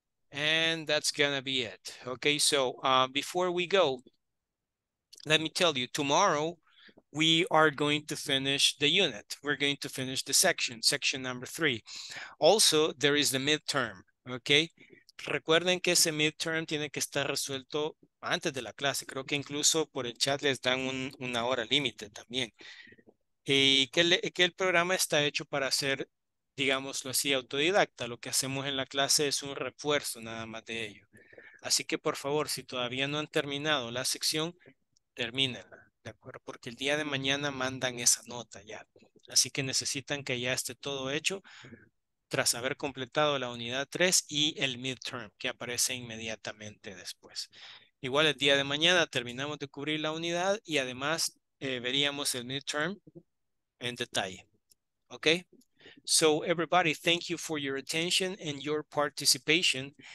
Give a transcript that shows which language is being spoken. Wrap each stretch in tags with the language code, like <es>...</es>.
<en>And that's gonna be it. Okay, so before we go, let me tell you, tomorrow we are going to finish the unit. We're going to finish the section, section number 3. Also, there is the midterm, okay?</en> <es>Recuerden que ese midterm tiene que estar resuelto antes de la clase. Creo que incluso por el chat les dan una hora límite también. Y que el programa está hecho para ser, digámoslo así, autodidacta. Lo que hacemos en la clase es un refuerzo nada más de ello. Así que, por favor, si todavía no han terminado la sección, termínenla, ¿de acuerdo? Porque el día de mañana mandan esa nota ya. Así que necesitan que ya esté todo hecho tras haber completado la unidad 3 y el midterm, que aparece inmediatamente después. Igual el día de mañana terminamos de cubrir la unidad y además veríamos el midterm en detalle. ¿Ok?</es> <en>So, everybody, thank you for your attention and your participation.</en>